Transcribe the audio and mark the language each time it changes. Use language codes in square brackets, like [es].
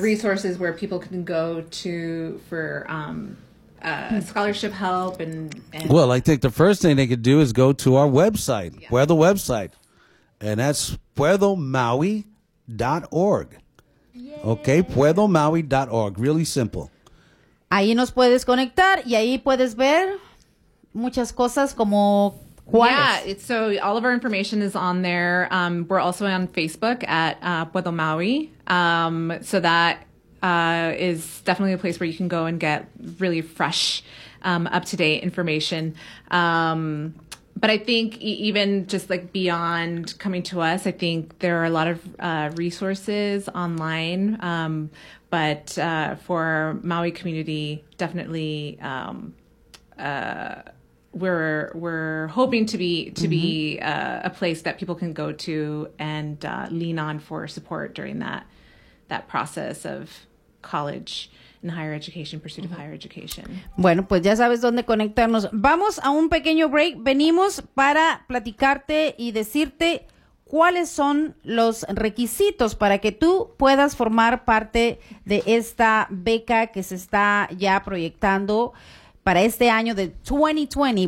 [en] resources where people can go to for scholarship help and well, I think the first thing they could do is go to our website, where the website, and that's puedomaui.org. Okay, puedomaui.org, really simple. [es] Ahí nos puedes conectar y ahí puedes ver muchas cosas como. [en] Yeah, so all of our information is on there. We're also on Facebook at Puedo Maui. So that is definitely a place where you can go and get really fresh, up-to-date information. But I think even just like beyond coming to us, I think there are a lot of resources online. But for Maui community, definitely... We're hoping to be a place that people can go to and lean on for support during that process of college and higher education, pursuit of higher education. [es] Bueno, pues ya sabes dónde conectarnos. Vamos a un pequeño break. Venimos para platicarte y decirte cuáles son los requisitos para que tú puedas formar parte de esta beca que se está ya proyectando para este año de 2020.